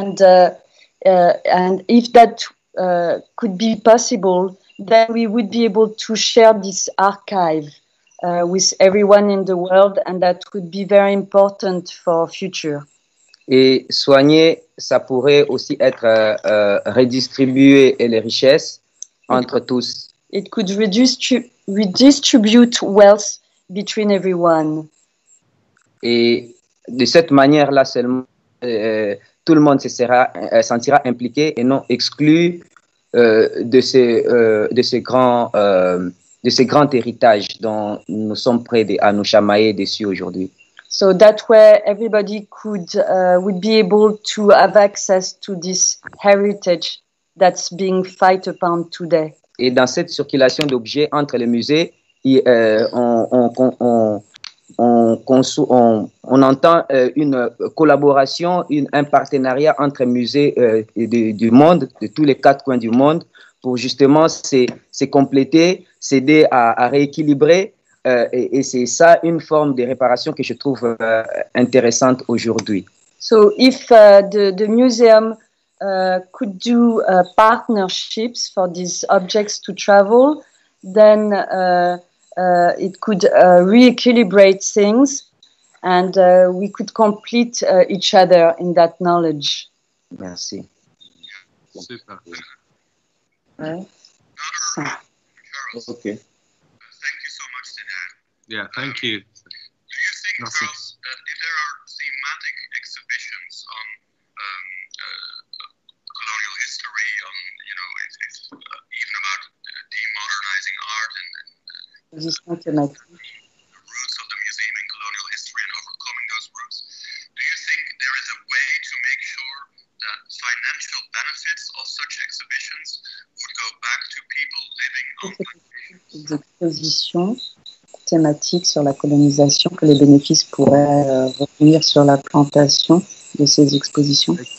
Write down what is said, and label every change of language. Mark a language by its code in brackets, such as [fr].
[en] And if that could be possible, then we would be able to share this archive with everyone in the world, and that would be very important for our future. [fr] Et soigner, ça pourrait aussi être redistribuer les richesses entre tous. [en] It could redistribute wealth between everyone. [fr] Et de cette manière-là seulement, tout le monde se sentira impliqué et non exclu de ces grands héritages dont nous sommes prêts à nous chamailler dessus aujourd'hui. [en] So that way everybody would be able to have access to this heritage that's being fought upon today. [fr] Et dans cette circulation d'objets entre les musées, on entend une collaboration, un partenariat entre musées du monde, de tous les quatre coins du monde, pour justement se compléter, s'aider à rééquilibrer. Et c'est ça une forme de réparation que je trouve intéressante aujourd'hui. [en] So if the museum could do partnerships for these objects to travel, then it could re-equilibrate things, and we could complete each other in that knowledge. [fr] Merci. [en] Yeah. Super. Right. So. Okay. Thank you so much, Dinah. Yeah, thank you. Do you think, Merci. Charles, that if there are thematic exhibitions on colonial history, on, you know, if even about demodernizing art and the roots of the museum in colonial history and overcoming those roots, do you think there is a way to make sure that financial benefits of such exhibitions would go back to people living on [fr] des expositions thématiques sur la colonisation, que les bénéfices pourraient revenir sur la plantation de ces expositions.